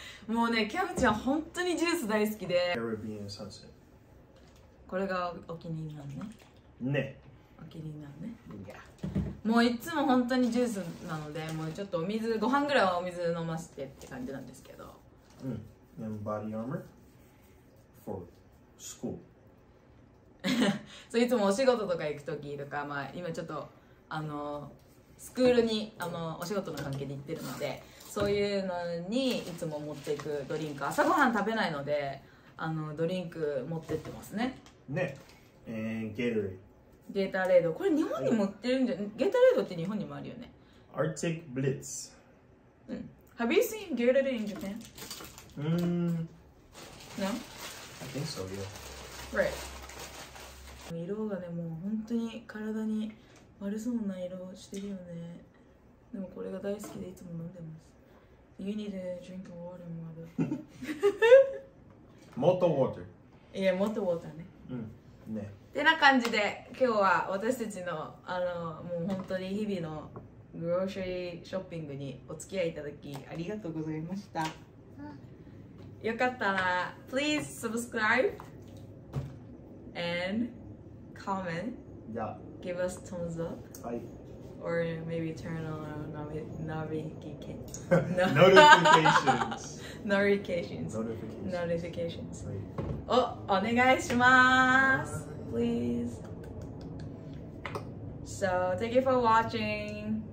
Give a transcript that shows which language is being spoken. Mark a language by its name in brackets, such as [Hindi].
[Japanese] もうね、キャブちゃん本当にジュース大好きで [English] Caribbean Sunset [Japanese] これがお気に入りなのね。ね、お気に入りなのね。もういつも本当にジュースなので、もうちょっとお水、ご飯ぐらいはお水飲ませてって感じなんですけど。 [English] うん、and body armor for school [Japanese] そう、いつもお仕事とか行くときとか、まあ今ちょっとあのスクールにあのお仕事の関係で行ってるので、そういうのにいつも持っていくドリンク、朝ごはん食べないのであのドリンク持ってってますね。ね、ゲートレード、ゲータレード、これ日本にも売ってるんじゃ、ゲータレードって日本にもあるよね。アーティックブリッツ、 [English] うん、Have you seen ゲータレード in Japan? No? I think so, yeah. Right. [Japanese] 色がね、もう本当に体に悪そうな色してるよね。でもこれが大好きでいつも飲んでます。 [English] You need a drink of water, mother [Japanese] もっとウォーター、いや、もっとウォーターね。うん、ね、てな感じで今日は私たちのあのもう本当に日々のグローシャリーショッピングにお付き合いいただきありがとうございました。よかったら [English] Please subscribe and comment、 yeah. Give us thumbs up、 [Japanese] はい、 [English] or maybe turn on our notifications notifications [Japanese] お、お願いします [English] please. So thank you for watching.